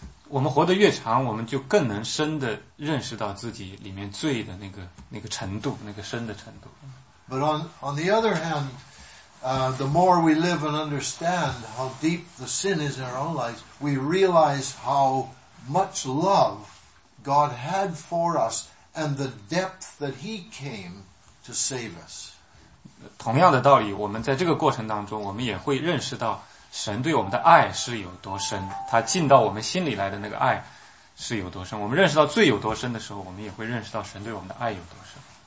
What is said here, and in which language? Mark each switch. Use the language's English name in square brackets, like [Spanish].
[Chinese] 我们活得越长，我们就更能深的认识到自己里面罪的那个程度，那个深的程度。 [English] But on the other hand,the more we live and understand how deep the sin is in our own lives, we realize how much love God had for us and the depth that He came to save us. [Chinese] 同样的道理，我们在这个过程当中，我们也会认识到神对我们的爱是有多深，他进到我们心里来的那个爱是有多深。我们认识到罪有多深的时候，我们也会认识到神对我们的爱有多深。